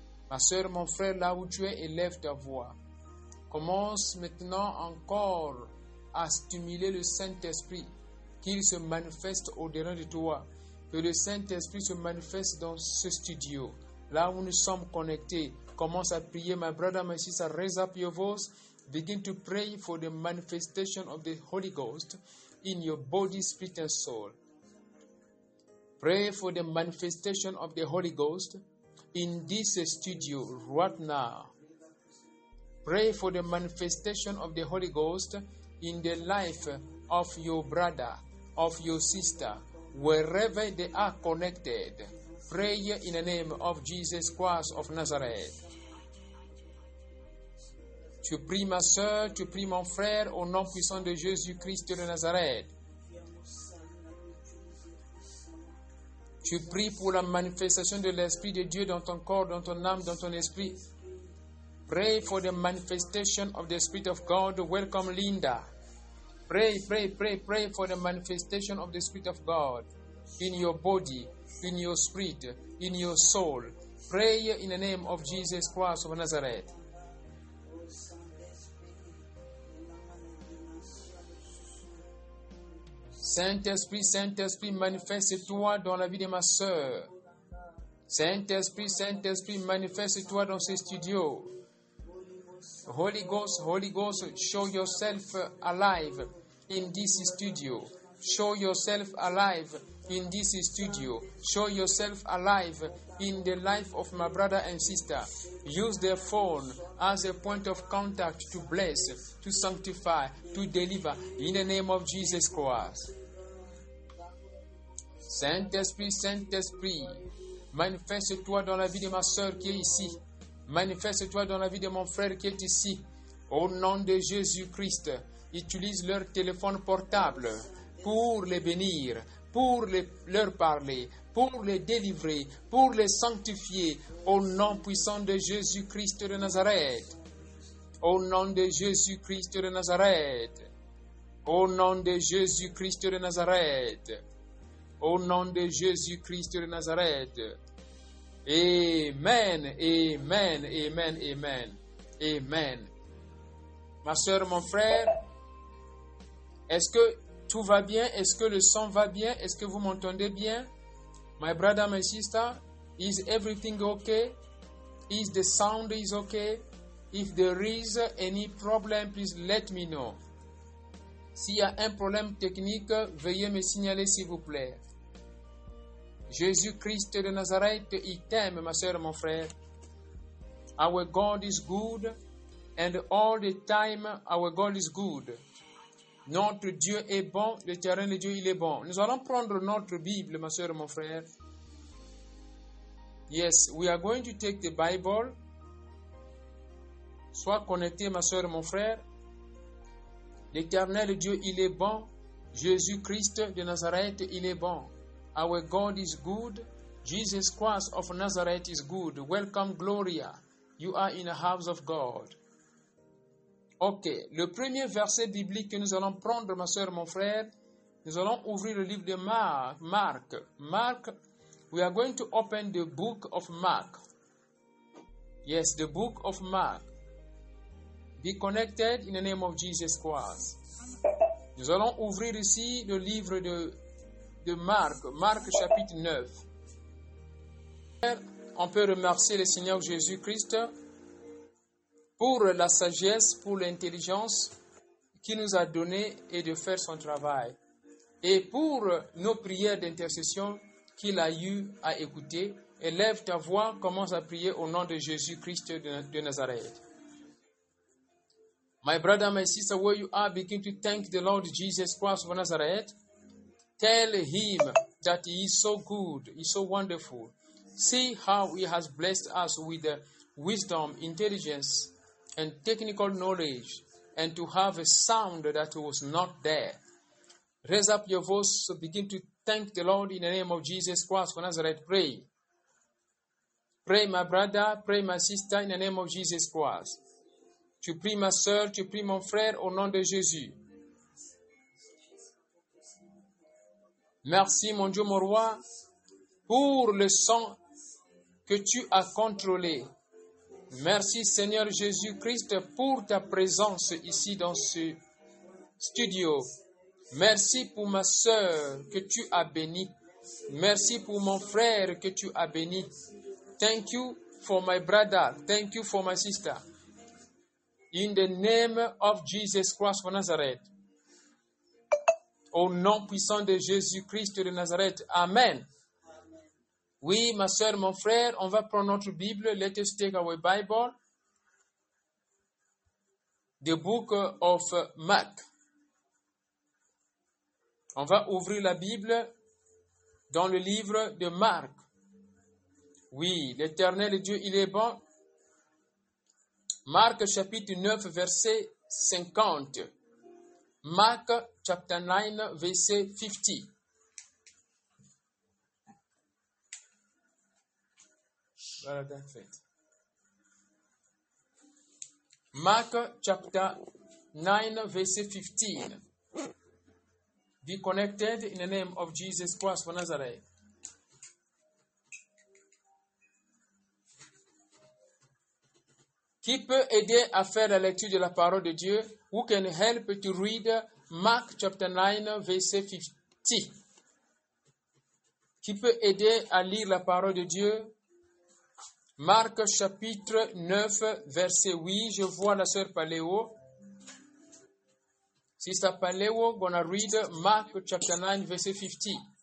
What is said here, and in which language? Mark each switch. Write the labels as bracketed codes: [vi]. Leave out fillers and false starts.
[fr] Ma soeur, mon frère, là où tu es, élève ta voix. Commence maintenant encore à stimuler le Saint-Esprit, qu'il se manifeste au-delà de toi. Que le Saint-Esprit se manifeste dans ce studio, là où nous sommes connectés. Commence à prier, [en] my brother, my sister, raise up your voice. Begin to pray for the manifestation of the Holy Ghost in your body, spirit, and soul. Pray for the manifestation of the Holy Ghost in this studio right now. Pray for the manifestation of the Holy Ghost in the life of your brother, of your sister, wherever they are connected. Pray in the name of Jesus Christ of Nazareth. [fr] Tu pries ma soeur, tu pries mon frère au nom puissant de Jésus-Christ de Nazareth. Tu pries pour la manifestation de l'Esprit de Dieu dans ton corps, dans ton âme, dans ton esprit. [en] Pray for the manifestation of the Spirit of God. Welcome Linda. Pray for the manifestation of the Spirit of God in your body, in your spirit, in your soul. Pray in the name of Jesus Christ of Nazareth. [fr] Saint-Esprit, manifeste-toi dans la vie de ma sœur. Saint-Esprit, manifeste-toi dans ce studio. [en] Holy Ghost, show yourself alive in this studio. Show yourself alive in this studio. Show yourself alive in the life of my brother and sister. Use their phone as a point of contact to bless, to sanctify, to deliver in the name of Jesus Christ. [fr] Saint-Esprit, manifeste-toi dans la vie de ma sœur qui est ici. Manifeste-toi dans la vie de mon frère qui est ici. Au nom de Jésus-Christ, utilise leur téléphone portable pour les bénir, pour leur parler, pour les délivrer, pour les sanctifier. Au nom puissant de Jésus-Christ de Nazareth. Au nom de Jésus-Christ de Nazareth. Au nom de Jésus-Christ de Nazareth. Au nom de Jésus-Christ de Nazareth. Amen, amen, amen, amen, amen. Ma soeur, mon frère, est-ce que tout va bien? Est-ce que le son va bien? Est-ce que vous m'entendez bien? [en] My brother, my sister, is everything okay? Is the sound is okay? If there is any problem, please let me know. [fr] S'il y a un problème technique, veuillez me signaler s'il vous plaît. Jésus-Christ de Nazareth, il t'aime, ma soeur, mon frère. [en] Our God is good, and all the time our God is good. [fr] Notre Dieu est bon, le terrain de Dieu, il est bon. Nous allons prendre notre Bible, ma soeur, mon frère. [en] Yes, we are going to take the Bible. [fr] Sois connecté, ma soeur, mon frère. L'éternel Dieu, il est bon. Jésus-Christ de Nazareth, il est bon. [en] Our God is good. Jesus Christ of Nazareth is good. Welcome, Gloria. You are in the house of God. [fr] Ok, le premier verset biblique que nous allons prendre, ma soeur, mon frère, nous allons ouvrir le livre de Marc. [en] Marc, we are going to open the book of Mark. Yes, the book of Mark. Be connected in the name of Jesus Christ. [fr] Nous allons ouvrir ici le livre de Marc, Marc chapitre 9. On peut remercier le Seigneur Jésus-Christ pour la sagesse, pour l'intelligence qu'il nous a donnée et de faire son travail. Et pour nos prières d'intercession qu'il a eu à écouter, élève ta voix, commence à prier au nom de Jésus-Christ de Nazareth. [en] My brother, my sister, where you are, begin to thank the Lord Jesus Christ of Nazareth. Tell him that he is so good, he is so wonderful. See how he has blessed us with wisdom, intelligence, and technical knowledge, and to have a sound that was not there. Raise up your voice, so begin to thank the Lord in the name of Jesus Christ of Nazareth. Pray. Pray, my brother, pray, my sister, in the name of Jesus Christ. [fr] Tu pries, ma soeur, tu pries, mon frère, au nom de Jésus. Merci, mon Dieu, mon roi, pour le sang que tu as contrôlé. Merci, Seigneur Jésus-Christ, pour ta présence ici dans ce studio. Merci pour ma sœur que tu as bénie. Merci pour mon frère que tu as béni. [en] Thank you for my brother. Thank you for my sister. In the name of Jesus Christ of Nazareth. [fr] Au nom puissant de Jésus-Christ de Nazareth. Amen. Oui, ma soeur, mon frère, on va prendre notre Bible. [en] Let us take our Bible. The book of Mark. [fr] On va ouvrir la Bible dans le livre de Marc. Oui, l'éternel Dieu, il est bon. Marc chapitre 9, verset 50. Marc, chapitre 9, verset 50. [en] rather than faith. Mark chapter 9, verse 15. Be connected in the name of Jesus Christ of Nazareth. [fr] Qui peut aider à faire la lecture de la parole de Dieu? [en] Who can help to read Mark chapter 9, verse 50? [fr] Qui peut aider à lire la parole de Dieu? Marc chapitre 9, verset 8. Je vois la sœur Paléo. [en] Sister Paléo, gonna read Mark chapter 9, verset 50.